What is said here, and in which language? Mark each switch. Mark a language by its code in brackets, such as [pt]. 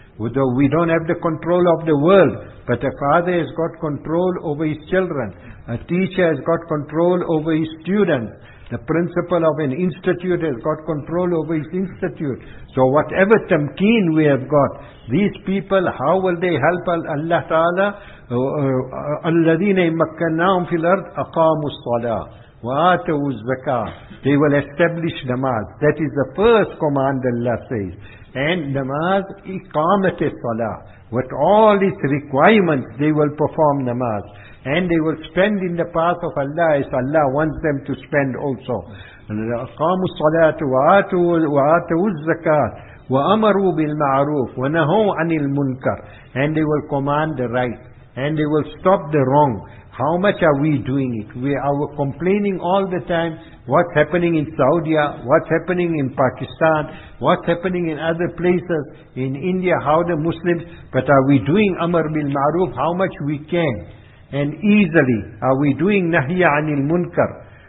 [en] We don't have the control of the world, but a father has got control over his children. A teacher has got control over his students. The principal of an institute has got control over his institute. So whatever tamkeen we have got, these people, how will they help Allah Ta'ala? [ar] الَّذِينَ إِمَّكَّنَّاهُمْ فِي الْأَرْضِ أَقَامُوا الصَّلَاةِ وَآتَوُوا الزَّكَاةِ [en] They will establish namaz. That is the first command Allah says. And namaz, [ar] إِقَامَةِ الصَّلَاةِ [en] With all its requirements, they will perform namaz. And they will spend in the path of Allah as Allah wants them to spend also. [ar] أَقَامُوا الصَّلَاةِ وَآتَوُوا الزَّكَاةِ وَأَمَرُوا بِالْمَعْرُوفِ وَنَهُوا عَنِ الْمُنْكَرِ [en] And they will command the right. And they will stop the wrong. How much are we doing it? We are complaining all the time. What's happening in Saudi? What's happening in Pakistan? What's happening in other places? In India, how the Muslims? But are we doing Amar bil Ma'ruf? How much we can? And easily, are we doing Nahya anil Munkar?